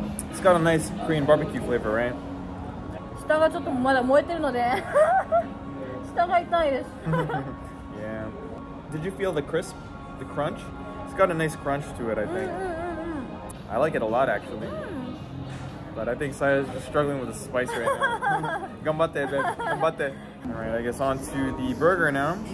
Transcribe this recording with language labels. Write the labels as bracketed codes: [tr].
[en] It's got a nice Korean barbecue flavor, right? [ja] 舌がちょっとまだ燃えてるので舌が痛いです [en] Yeah. Did you feel the crisp? The crunch? It's got a nice crunch to it, I think. I like it a lot, actually. But I think Saya is just struggling with the spice right now. [ja] 頑張って、babe. 頑張って。 [en] Alright, I guess on to the burger now.